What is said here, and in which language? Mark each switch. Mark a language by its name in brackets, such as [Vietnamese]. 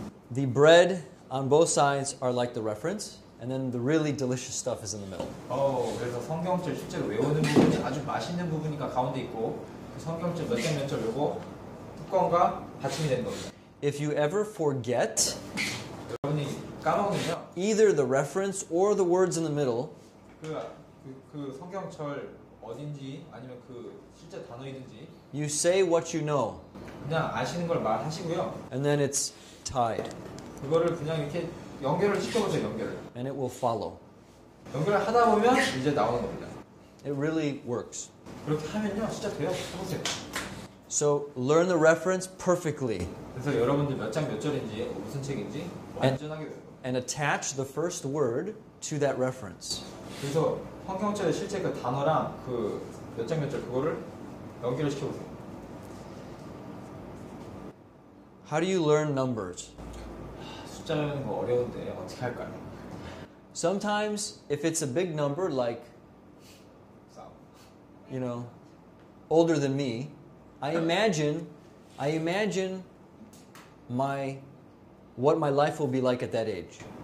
[English] The bread on both sides are like the reference. And then the really delicious stuff is in the middle. [Korean] 그래서 성경절 실제로 외우는 부분이 아주 맛있는 부분이니까 가운데 있고 그 성경절 몇점 요거 뚜껑과 받침이 되는 겁니다. [English] If you ever forget, [Korean] 여러분이 까먹으면 [English] either the reference or the words in the middle, [Korean] 그 성경절 어딘지 아니면 그 실제 단어이든지 [English] you say what you know. [Korean] 그냥 아시는 걸 말하시고요. [English] And then it's tied. [Korean] 그거를 그냥 이렇게 연결을 시켜보세요, 연결을. [English] And it will follow. [Korean] 연결을 하다 보면 이제 나오는 겁니다. [English] It really works. [Korean] 그렇게 하면요, 진짜 돼요. 해보세요. [English] So learn the reference perfectly. [Korean] 그래서 여러분들 몇 장 몇 절인지 무슨 책인지 완전하게 외워요. [English] And attach the first word to that reference. [Korean] 그래서 환경체의 실제 그 단어랑 그 몇 장 몇 절 그거를 연결을 시켜보세요. [English] How do you learn numbers? [Korean] 숫자 외우는 거 어려운데 어떻게 할까요? [English] Sometimes if it's a big number like you know older than me, I imagine what my life will be like at that age.